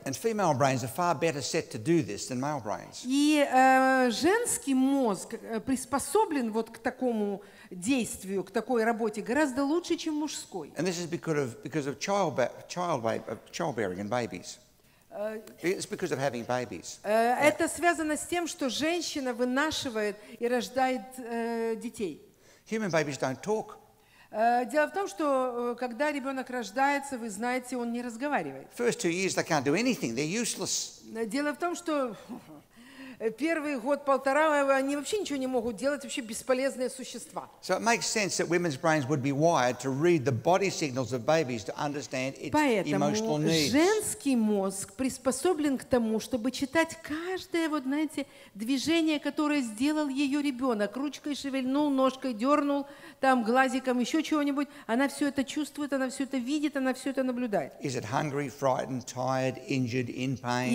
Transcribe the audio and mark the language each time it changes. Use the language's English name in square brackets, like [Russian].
[English] And female brains are far better set to do this than male brains. [Russian] И женский мозг приспособлен вот к такому действию, к такой работе гораздо лучше, чем мужской. [English] And this is because of childbearing and babies. It's because of having babies. [Russian] Это связано с тем, что женщина вынашивает и рождает детей. [English] Human babies don't talk. [Russian] Дело в том, что когда ребенок рождается, вы знаете, он не разговаривает. [English] First 2 years they can't do anything. They're useless. [Russian] Дело в том, что первый год-полтора они вообще ничего не могут делать, вообще бесполезные существа. [English] So it makes sense that women's brains would be wired to read the body signals of babies to understand its [Russian] Поэтому [English] emotional needs. [Russian] Поэтому женский мозг приспособлен к тому, чтобы читать каждое вот, знаете, движение, которое сделал ее ребенок. Ручкой шевельнул, ножкой дернул, там глазиком еще чего-нибудь. Она все это чувствует, она все это видит, она все это наблюдает. [English] Is it hungry, frightened, tired, injured, in pain?